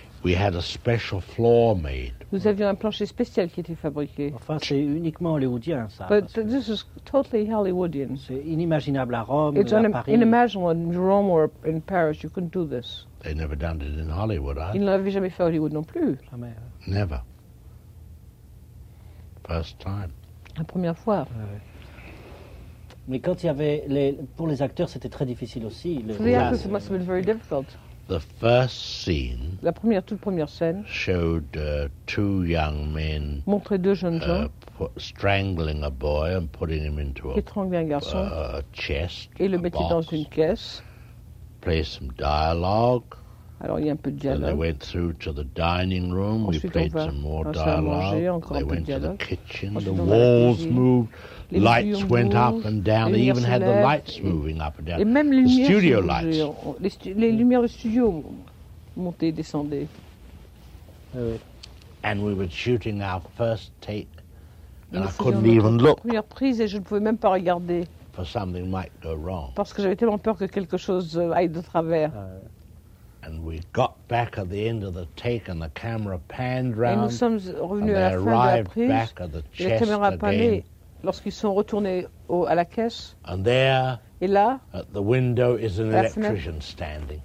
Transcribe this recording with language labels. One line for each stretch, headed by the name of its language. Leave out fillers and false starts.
English: We had a special floor made.
French: Nous avions un plancher spécial qui était fabriqué. Enfin, c'est uniquement hollywoodien, ça.
English: But this is totally hollywoodian.
French: C'est inimaginable à Rome,
English: it's
French: à Paris.
English: Inimaginable in Rome or in Paris, you couldn't do this. They never done it in Hollywood, huh?
French: Ils n'avaient jamais fait Hollywood non plus. Jamais.
English: Never. First time.
French: La première fois. Ouais. Mais quand il y avait pour les acteurs, c'était très difficile aussi.
English: For the actors, it must have been very difficult. The first scene,
French: la première, toute première scène,
English: showed two young men
French: montrait deux jeunes gens
English: strangling a boy and putting him into a chest
French: et le mettait dans une caisse.
English: Play some dialogue.
French: Alors il y a un peu de dialogue.
English: Then they went through to the dining room.
French: Ensuite,
English: we played some more dialogue.
French: Manger,
English: they went
French: dialogue.
English: To the kitchen.
French: Ensuite,
English: the walls moved.
French: Les
English: lights went
French: bouge,
English: up and down. They even had the lights moving up and down.
French: Et même les
English: the studio lights.
French: Les lumières du studio montaient, descendaient.
English: And we were shooting our first take, and I couldn't even look.
French: Première prise et je ne pouvais même pas regarder.
English: For something might go wrong.
French: Parce que j'avais tellement peur que quelque chose aille de travers.
English: And we got back at the end of the take, and the camera panned round.
French: Et nous sommes revenus
English: and
French: à la fin de la prise.
English: Back at the chest again.
French: Lorsqu'ils sont retournés à la caisse.
English: And there,
French: et là,
English: at the window is an electrician standing.